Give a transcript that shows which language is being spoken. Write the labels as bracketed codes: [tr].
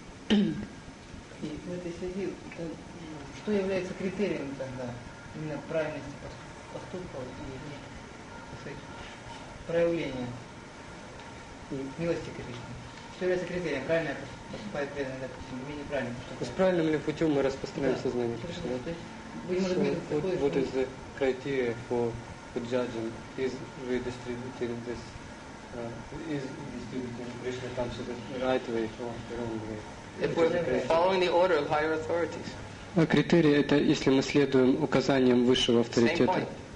[ru] И в этой связи, что является критерием тогда именно правильности поступков и проявления и милости Кришны? Что является критерием? Правильно поступает преданный, допустим, или неправильно? С правильным ли путем мы распространяем сознание Кришны? Да. [en] What is the criteria for judging? Is we distributing this? Is distributing Krishna consciousness the right way or the wrong way? If we're following the order of higher authorities. [ru] А критерии это если мы следуем указаниям высшего авторитета.